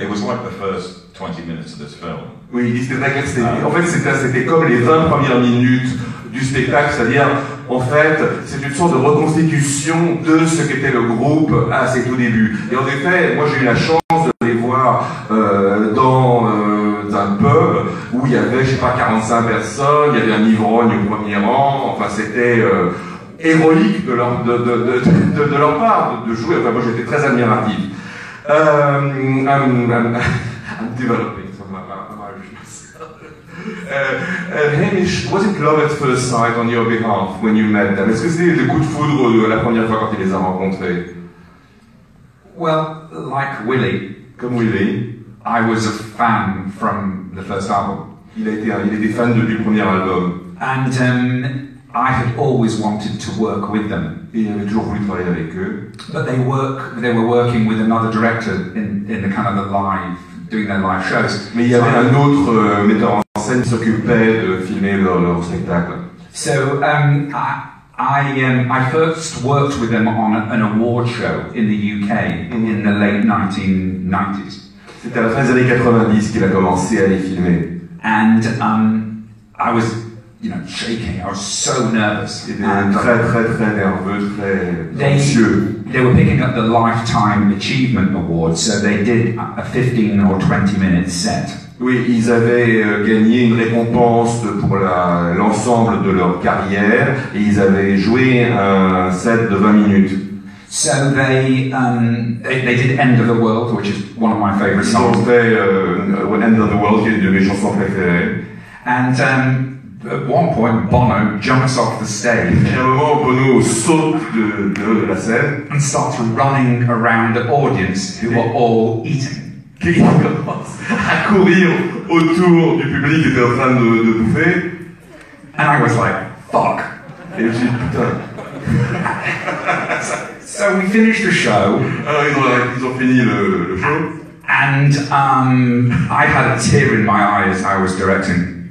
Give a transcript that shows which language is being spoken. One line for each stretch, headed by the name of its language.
English: It was like the first 20 minutes of this film.
French: Oui, c'était comme les 20 premières minutes du spectacle. C'est-à-dire, en fait, c'est une sorte de reconstitution de ce qu'était le groupe à ses tout débuts. Et en effet, moi, j'ai eu la chance de les voir dans un pub où il y avait, je sais pas, 45 personnes. Il y avait un ivrogne au premier rang. Enfin, c'était héroïque de leur part de jouer. Enfin, moi, j'étais très admiratif.
English: I'm developing some Irish myself. Hamish, was it love at first sight on your behalf when you met them?
French: Est-ce que c'était le coup de foudre de la première fois quand il les a rencontrés?
English: Well, like Willie.
French: Comme Willie.
English: I was a fan from the first album.
French: Il était fan depuis le premier album.
English: And I had always wanted to work with them.
French: Et il avait toujours voulu travailler avec eux.
English: But they were working with another director in the kind of the live, doing their live shows.
French: Mais il y avait un autre metteur en scène qui s'occupait de filmer leur spectacle.
English: So I first worked with them on an award show in the UK in the late 1990s.
French: C'était à la fin des années 90 qu'il a commencé à les filmer.
English: And I was, you know, shaking. I was so nervous.
French: Très nerveux, très anxieux.
English: They were picking up the Lifetime Achievement Award, so they did a 15 or 20 minute set.
French: Oui, ils avaient gagné une récompense pour l'ensemble de leur carrière, et ils avaient joué un set de 20 minutes.
English: So they did End of the World, which is one of my favorite songs.
French: Ils ont fait End of the World, qui est une de mes chansons préférées.
English: And at one point, Bono jumps off the stage.
French: Et à un moment, Bono saute de la scène.
English: And starts running around the audience, who were all eating.
French: Qui commence à courir autour du public qui était en train de bouffer.
English: And I was like, fuck.
French: Et j'ai dit, putain.
English: So we finished the show.
French: Ils ont fini le show.
English: And I had a tear in my eye as I was directing.